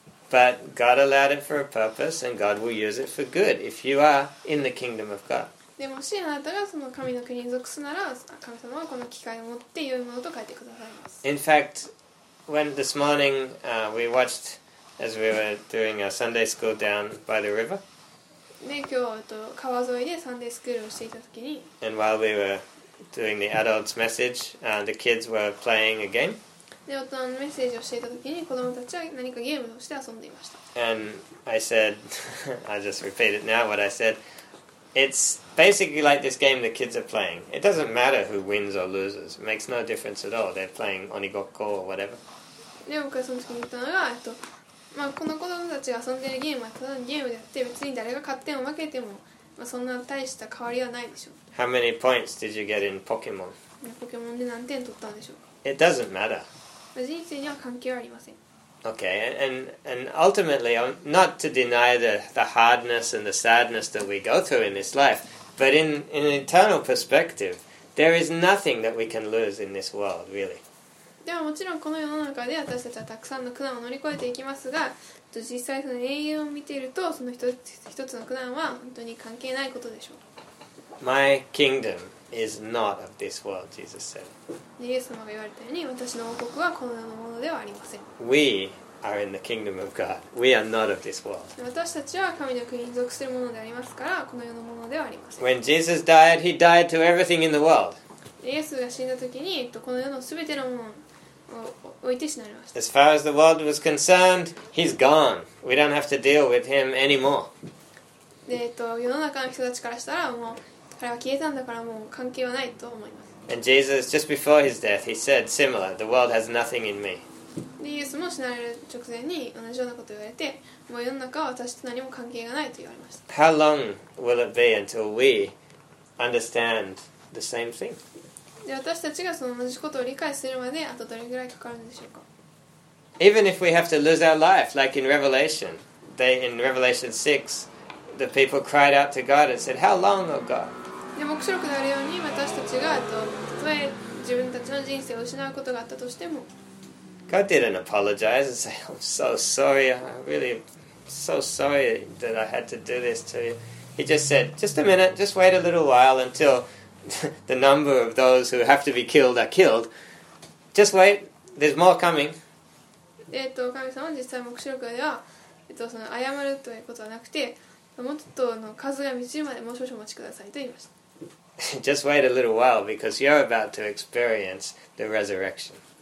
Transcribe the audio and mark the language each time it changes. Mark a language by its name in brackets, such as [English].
[English] But God allowed it for a purpose, and God will use it for good if you are in the kingdom of God. [Japanese] でもしあなたがその神の国に属すなら、神様はこの機会を持って良いものと書いてくださいます。 [English] In fact, when this morning, we watched as we were doing our Sunday school down by the river. [Japanese] で今日川沿いでサンデースクールをしていた時に。 [English] And while we were doing the adults' message, the kids were playing a game. [Japanese] で大人のメッセージをしていたときに子供たちは何かゲームをして遊んでいました。 [English] And I said, I'll just repeat it now what I said. It's basically like this game the kids are playing. It doesn't matter who wins or loses. It makes no difference at all. They're playing onigokko or whatever. [Japanese] で僕はその時に言ったのが、まあ、この子供たちが遊んでいるゲームはただのゲームであって別に誰が勝っても負けても、まあ、そんな大した変わりはないでしょう。 [English] How many points did you get in Pokemon? [Japanese] ポケモンで何点取ったんでしょうか? [English] It doesn't matter. [Japanese] 人生には関係ありません。 [English] Okay, and ultimately, not to deny the hardness and the sadness that we go through in this life, but in an eternal perspective, there is nothing that we can lose in this world, really. [Japanese] でももちろんこの世の中で私たちはたくさんの苦難を乗り越えていきますが、実際その永遠を見ているとその一つの苦難は本当に関係ないことでしょう。 [English] My kingdom. Is not of this world, Jesus said. [Japanese] イエス様が言われたように、私の王国はこの世のものではありません。 [English] We are in the kingdom of God. We are not of this world. [Japanese] 私たちは神の国に属するものでありますから、この世のものではありません。 [English] When Jesus died, he died to everything in the world. [Japanese] イエスが死んだ時に、この世のすべてのものを置いて死なれました。 [English] As far as the world was concerned, he's gone. We don't have to deal with him anymore. [Japanese] で、世の中の人たちからしたら、もう彼は消えたんだからもう関係はないと思います。 [English] And Jesus, just before his death, he said similar, the world has nothing in me. [Japanese] で、イエスも死なれる直前に同じようなことを言われて、もう世の中は私と何も関係がないと言われました。 [English] How long will it be until we understand the same thing? [Japanese] で、私たちがその同じことを理解するまで、あとどれぐらいかかるんでしょうか? [English] Even if we have to lose our life, like in Revelation, in Revelation 6, the people cried out to God and said, How long, O God? [Japanese] で目白くなるように私たちが例え自分たちの人生を失うことがあったとしても [English] God didn't apologize and say, I'm so sorry, I'm really so sorry that I had to do this to you. He just said, just a minute, just wait a little while until the number of those who have to be killed are killed. Just wait, there's more coming. [Japanese] 神様は実際目白くでは、その謝るということはなくて、もっとの数が満ちるまでもう少々お待ちくださいと言いました。 [English] Just wait a little while because you're about to experience the resurrection.